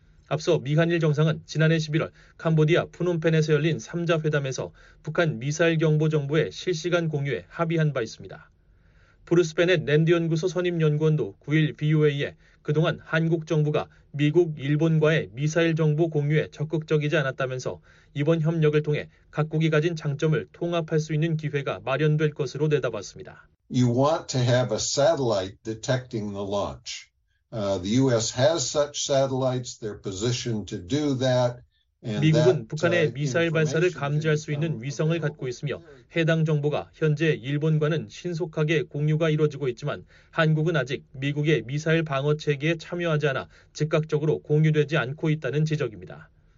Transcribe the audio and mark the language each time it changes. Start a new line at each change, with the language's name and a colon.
Korean: 앞서 미한일 정상은 지난해 11월 캄보디아 프놈펜에서 열린 3자 회담에서 북한 미사일 경보 정보의 실시간 공유에 합의한 바 있습니다. 브루스 베넷 랜드 연구소 선임 연구원도 9일 VOA에 그동안 한국 정부가 미국, 일본과의 미사일 정보 공유에 적극적이지 않았다면서 이번 협력을 통해 각국이 가진 장점을 통합할 수 있는 기회가 마련될 것으로 내다봤습니다.
English: You want to have a satellite detecting the launch. The U.S. has such satellites. They're positioned to do that.
Korean: 미국은 북한의 미사일 발사를 감지할 수 있는 위성을 갖고 있으며 해당 정보가 현재 일본과는 신속하게 공유가 이루어지고 있지만 한국은 아직 미국의 미사일 방어 체계에 참여하지 않아 즉각적으로 공유되지 않고 있다는 지적입니다.